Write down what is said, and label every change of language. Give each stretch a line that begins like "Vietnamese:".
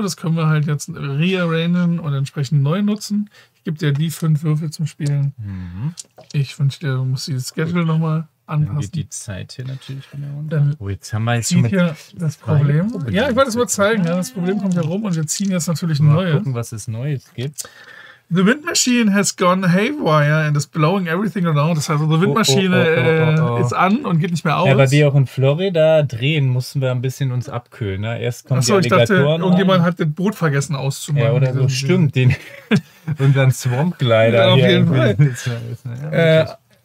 German: Das können wir halt jetzt rearrangen und entsprechend neu nutzen. Ich gebe dir die 5 Würfel zum Spielen. Mhm. Ich wünsche dir, du musst die Schedule nochmal anpassen. Dann geht die Zeit hier natürlich wieder runter. Dann jetzt haben wir jetzt schon hier das Problem. Probleme. Ja, ich wollte es mal zeigen. Ja, das Problem kommt ja rum und wir ziehen jetzt natürlich mal neue. Mal gucken, was es Neues gibt.
English: The wind machine has gone haywire and is blowing everything around.
German: Das heißt, die Windmaschine ist an und geht nicht mehr aus. Ja, weil wir auch in Florida drehen, mussten wir ein bisschen uns abkühlen. Ne? Erst kommen die Alligatoren. Achso, ich dachte, irgendjemand hat das Boot vergessen auszumachen. Ja, oder so, stimmt. unseren Swamp-Glider. Ja, auf jeden Fall.